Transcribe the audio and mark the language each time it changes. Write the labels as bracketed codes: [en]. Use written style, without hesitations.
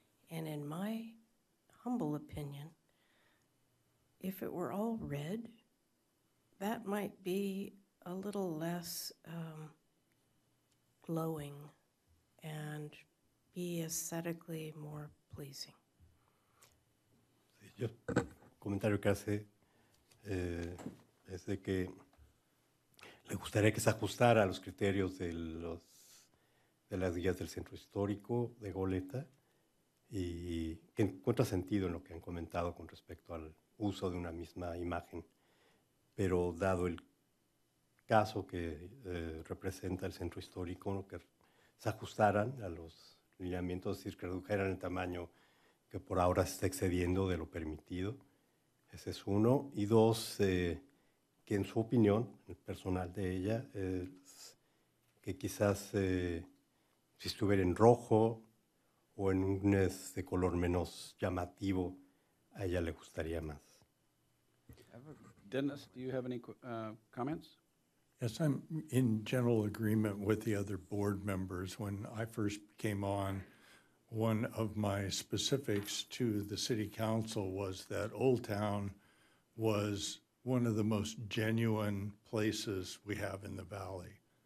[en] And in my humble opinion, if it were all red, that might be a little less glowing and be aesthetically more pleasing. [es] Sí, yo, comentario que hace es de que le gustaría que se ajustara a los criterios de las guías del Centro Histórico de Goleta. Y que encuentra sentido en lo que han comentado con respecto al uso de una misma imagen, pero dado el caso que representa el Centro Histórico, que se ajustaran a los lineamientos, es decir, que redujeran el tamaño que por ahora se está excediendo de lo permitido, ese es uno. Y dos, que en su opinión, el personal de ella, que quizás si estuviera en rojo, o en un de color menos llamativo, a ella le gustaría más. [en] Dennis, do you have any comments? Yes, I'm in general agreement with the other board members. When I first came on, one of my specifics to the city council was that Old Town was one of the most genuine places we have in the valley.